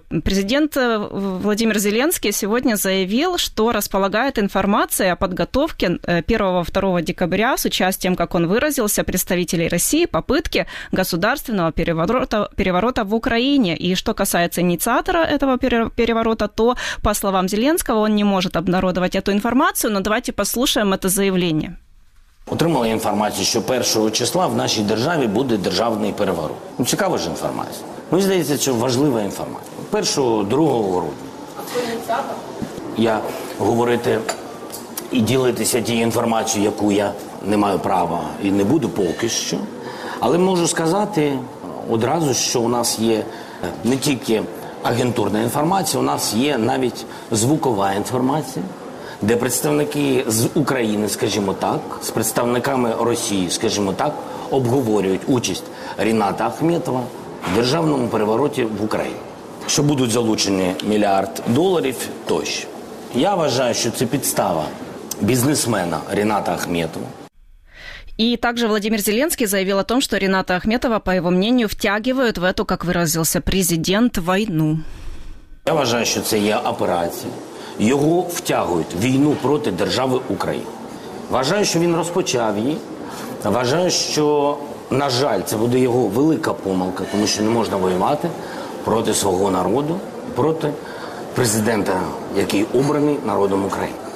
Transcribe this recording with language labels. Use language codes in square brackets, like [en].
[ru] Президент Владимир Зеленский сегодня заявил, что располагает информацией о подготовке 1-2 декабря с участием, как он выразился, представителей России, попытки государственного переворота в Украине. И что касается инициатора этого переворота, то, по словам Зеленского, он не может обнародовать эту информацию, но давайте послушаем это заявление. [uk] Отримали інформацію, що 1 числа в нашій державі буде державний переворот. Ну, цікава ж інформація. Мені здається, це важлива інформація. 1-2 грудня. А хто ініціатор? Я говорити і ділитися тією інформацією, яку я не маю права і не буду поки що. Але можу сказати одразу, що у нас є не тільки агентурна інформація, у нас є навіть звукова інформація, де представники з України, скажімо так, з представниками Росії, скажімо так, обговорюють участь Ріната Ахметова державному перевороті в Україні, що будуть залучені мільярд доларів тощо. Я вважаю, що це підстава бізнесмена Рената Ахметова. [ru] И также Владимир Зеленский заявил о том, что Рената Ахметова, по его мнению, втягивают в эту, как выразился президент, войну. [uk] Я вважаю, що це є операція. Його втягують в війну проти держави України. Вважаю, що він розпочав її. Вважаю, що, на жаль, це буде його велика помилка, тому що не можна воювати проти свого народу, проти президента, який обраний народом України.